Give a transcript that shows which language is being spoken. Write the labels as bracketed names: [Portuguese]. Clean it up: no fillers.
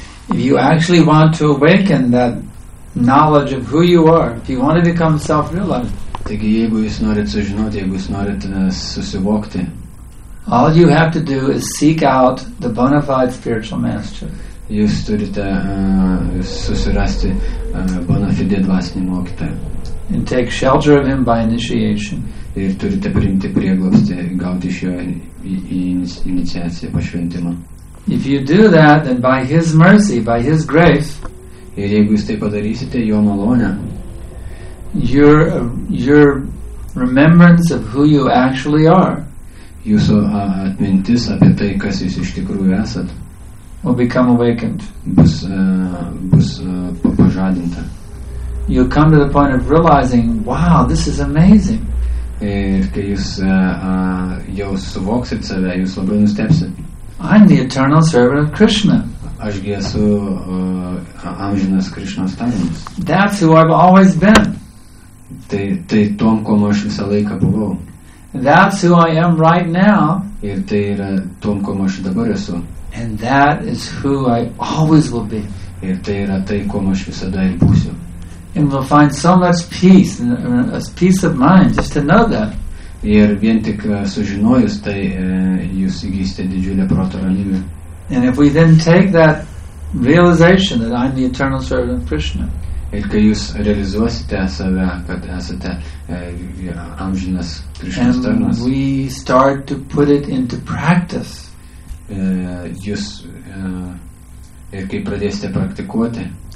[English] If you actually want to awaken that knowledge of who you are, if you want to become self-realized, [Lithuanian] taigi, jeigu jūs norit sužinoti, jeigu jūs norit susivokti, [English] all you have to do is seek out the bona fide spiritual master. [Lithuanian] Jūs turite susirasti bona fide dvasinį mokytą. [English] And take shelter of him by initiation. [Lithuanian] Ir turite priimti prieglobstį, gauti iš jo iniciaciją, pašventimą. [English] If you do that, then by his mercy, by his grace, [Lithuanian] ir jeigu jūs tai padarysite, jo malonę, [English] Your remembrance of who you actually are, [Lithuanian] jūsų atmintis apie tai, kas jūs iš tikrųjų esat, [English] will become awakened. [Lithuanian] Bus pažadinta. [English] You'll come to the point of realizing, wow, this is amazing. [Lithuanian] Ir kai jūs jau suvoksit save, jūs labai nustepsit. [English] I'm the eternal servant of Krishna. [Lithuanian] Aš gi esu amžinas Krishnos tarnas. [English] That's who I've always been. [Lithuanian] Tai tom, kuo aš visą laiką buvau. [English] That's who I am right now. [Lithuanian] Ir tai yra tom, kuo aš dabar esu. [English] And that is who I always will be. [Lithuanian] Ir tai yra tai, kuo aš visada ir būsiu. [English] And we'll find so much peace, a peace of mind, just to know that. [Lithuanian] Ir vien tik sužinojus, tai jūs įgysite didžiulę proto ramybę. [English] And if we then take that realization that I'm the eternal servant of Krishna, [Lithuanian] ir kai jūs realizuosite save, kad esate amžinas Krishnos tarnas, [English] and we start to put it into practice, [Lithuanian] ir kai pradėsite praktikuoti